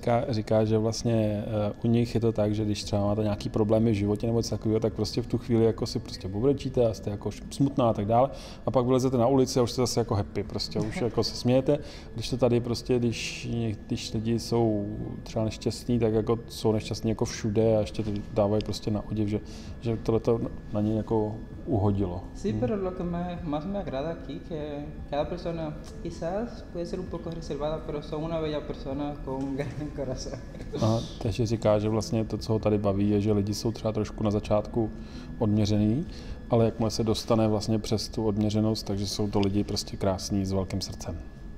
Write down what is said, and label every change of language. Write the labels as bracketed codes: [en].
[cs] Říká, že vlastně u nich je to tak, že když třeba máte nějaký problémy v životě nebo takového, tak prostě v tu chvíli jako si prostě pobrečíte a jste jako smutná a tak dále. A pak vylezete na ulici a už jste zase jako happy, prostě už jako se smějete. Když to tady prostě, když lidi jsou třeba nešťastní, tak jako jsou nešťastní jako všude a ještě to dávají prostě na odiv, že tohle to na ně jako uhodilo. [es] Sí, pero lo que más me agrada aquí, que cada persona quizás puede ser un poco reservada, pero son una bella persona con un gran corazón. [cs] Aha, takže říká, že vlastně to, co ho tady baví, je, že lidi jsou třeba trošku na začátku odměřený, ale jakmile se dostane vlastně přes tu odměřenost, takže jsou to lidi prostě krásní s velkým srdcem.